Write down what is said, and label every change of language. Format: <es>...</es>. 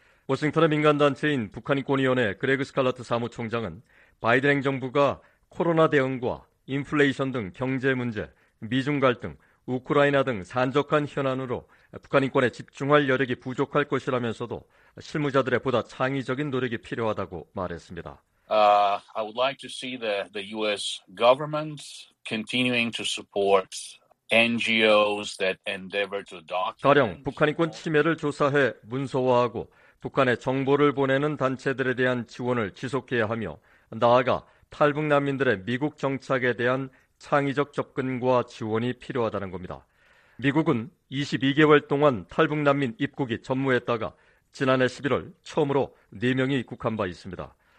<ko>워싱턴의 민간단체인 북한인권위원회 그레그 스칼라트 사무총장은 바이든 행정부가 코로나 대응과 인플레이션 등 경제 문제, 미중 갈등, 우크라이나 등 산적한 현안으로 북한인권에 집중할 여력이 부족할 것이라면서도 실무자들의 보다 창의적인 노력이 필요하다고 말했습니다.</ko> <en>I would like to see the U.S. government continuing to support NGOs that endeavor to document.</en> <ko>가령 북한 인권 침해를 조사해 문서화하고 북한에 정보를 보내는 단체들에 대한 지원을 지속해야 하며 나아가 탈북 난민들의 미국 정착에 대한 창의적 접근과 지원이 필요하다는 겁니다. 미국은 22개월 동안 탈북 난민 입국이 전무했다가 지난해 11월 처음으로 4명이 입국한 바 있습니다.</ko>